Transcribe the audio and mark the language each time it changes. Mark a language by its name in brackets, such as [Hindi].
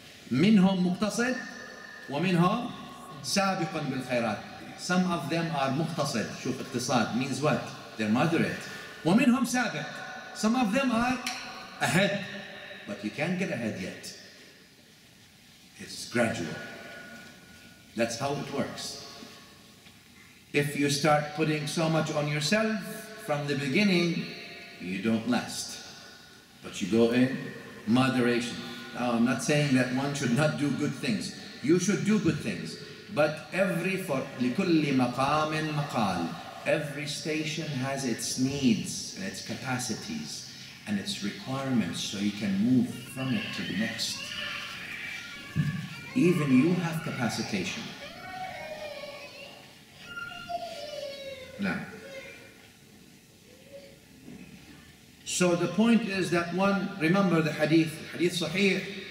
[Arabic] منهم مقتصد ومنهم سابق بالخيرات. [English] Some of them are مقتصد. شوف اقتصاد means what? They're moderate. ومنهم سابق. Some of them are ahead. But you can't get ahead yet. It's gradual. That's how it works. If you start putting so much on yourself from the beginning, you don't last. But you go in moderation. Now, I'm not saying that one should not do good things. You should do good things. [Arabic] But لِكُلِّ مَقَامٍ مَقَالٍ. [English] Every station has its needs and its capacities and its requirements, so you can move from it to the next. Even you have capacitation. Now, so the point is that one, remember the hadith, hadith sahih.